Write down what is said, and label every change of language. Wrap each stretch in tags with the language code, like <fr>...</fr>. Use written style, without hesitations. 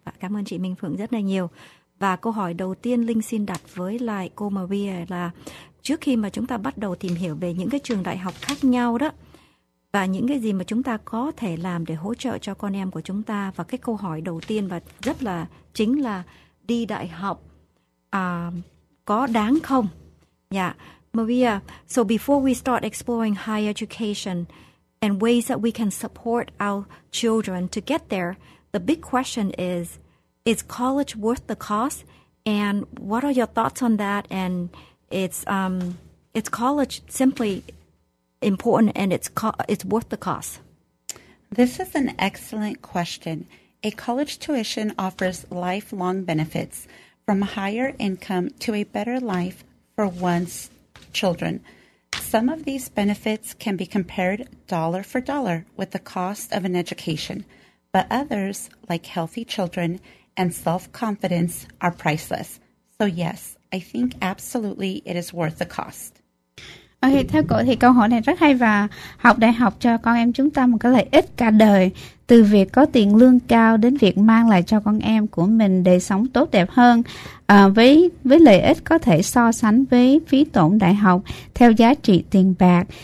<vi>Cảm ơn chị Minh Phượng rất là nhiều. Và câu hỏi đầu tiên Linh xin đặt với lại cô Maria là trước khi mà chúng ta bắt đầu tìm hiểu về những cái trường đại học khác nhau đó, và những cái gì mà chúng ta có thể làm để hỗ trợ cho con em của chúng ta, và cái câu hỏi đầu tiên và rất là chính là đi đại học có đáng không?</vi> <en>Dạ, Maria, so before we start exploring higher education and ways that we can support our children to get there, the big question is college worth the cost? And what are your thoughts on that? And it's college simply important, and it's worth the cost? This is an excellent question. A college tuition offers lifelong benefits, from a higher income to a better life for one's children. Some of these benefits can be compared dollar for dollar with the cost of an education, but others, like healthy children and self-confidence, are priceless. So yes, I think absolutely it is worth the cost.</en> <vi>Ok, theo cô thì câu hỏi này rất hay, và học đại học cho con em chúng ta một cái lợi ích cả đời, từ việc có tiền lương cao đến việc mang lại cho con em của mình đời sống tốt đẹp hơn, với lợi ích có thể so sánh với phí tổn đại học theo giá trị tiền bạc.</vi>